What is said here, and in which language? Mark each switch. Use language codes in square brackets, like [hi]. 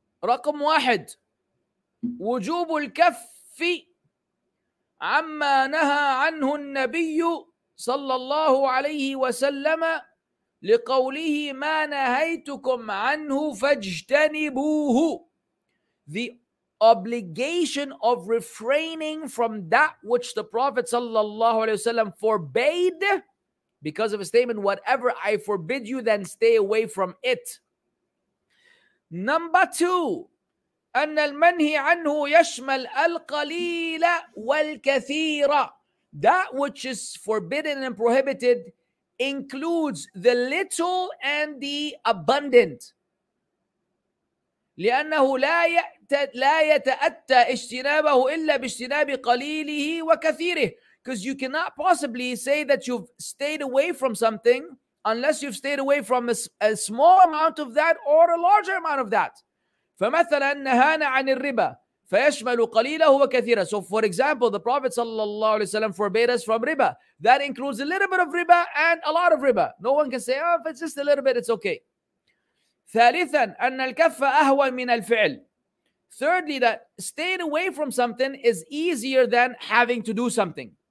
[ar] Raqam wahid, wujubul kaffi amma naha anhu an-nabiyyu صلى الله عليه وسلم لقوله ما نهيتكم عنه فاجتنبوه. [en] The obligation of refraining from that which the Prophet [ar] صلى الله عليه وسلم [en] forbade because of a statement, whatever I forbid you, then stay away from it. Number two, [ar] أن المنهي عنه يشمل القليل والكثير. [en] That which is forbidden and prohibited includes the little and the abundant. [ar] لأنه لا يتأتى اجتنابه إلا باجتناب قليله وكثيره. [en] Because you cannot possibly say that you've stayed away from something unless you've stayed away from a small amount of that or a larger amount of that. [ar] فمثلا نهانا عن الربا فَيَشْمَلُ قَلِيلَهُ وَكَثِيرًا. [en] So for example, the Prophet sallallahu alayhi wa sallam forbade us from riba. That includes a little bit of riba and a lot of riba. No one can say, oh, if it's just a little bit, it's okay. [ar] ثَالِثًا أَنَّ الْكَفَّ أَهْوَن مِنَ الْفِعْلِ. [en] Thirdly, that staying away from something is easier than having to do something.